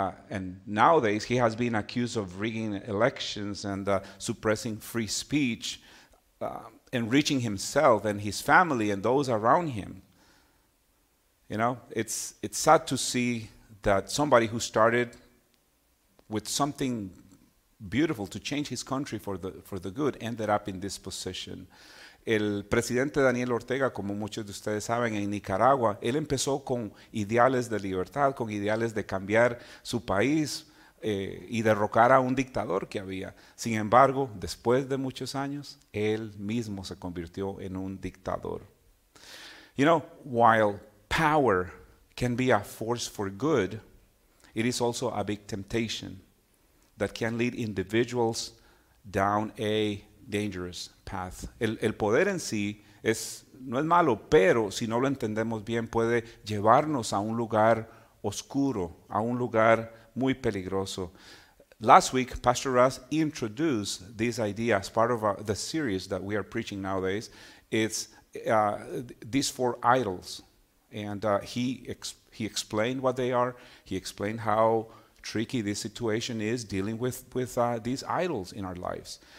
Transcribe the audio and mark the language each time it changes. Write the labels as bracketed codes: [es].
[en] And nowadays, he has been accused of rigging elections and suppressing free speech, enriching himself and his family and those around him. You know, it's sad to see that somebody who started with something beautiful to change his country for the good ended up in this position. [es] El presidente Daniel Ortega, como muchos de ustedes saben, en Nicaragua, él empezó con ideales de libertad, con ideales de cambiar su país y derrocar a un dictador que había. Sin embargo, después de muchos años, él mismo se convirtió en un dictador. [en] You know, while power can be a force for good, it is also a big temptation that can lead individuals down a dangerous path. [es] El poder en sí no es malo, pero si no lo entendemos bien, puede llevarnos a un lugar oscuro, a un lugar muy peligroso. [en] Last week, Pastor Russ introduced this idea as part of the series that we are preaching nowadays. It's these four idols. And he explained what they are. He explained how tricky this situation is dealing with these idols in our lives.